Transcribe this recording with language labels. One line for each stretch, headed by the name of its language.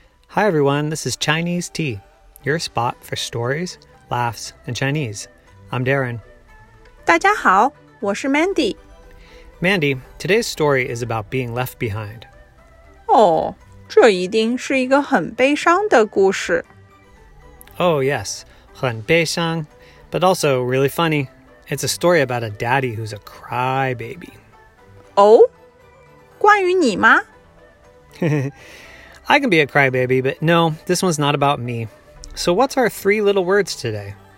English: Hi everyone, this is Chinese Tea, your spot for stories, laughs, and Chinese. I'm Darren.
Chinese: 大家好，我是 Mandy.
English: Mandy, today's story is about being left behind.
Chinese: 哦，这一定是一个很悲伤的故事。
English: Oh yes,
Chinese: 很悲伤,
English: but also really funny. It's a story about a daddy who's a crybaby.
Chinese: 哦，关于你吗？
English: I can be a crybaby, but no, this one's not about me. So what's our three little words today?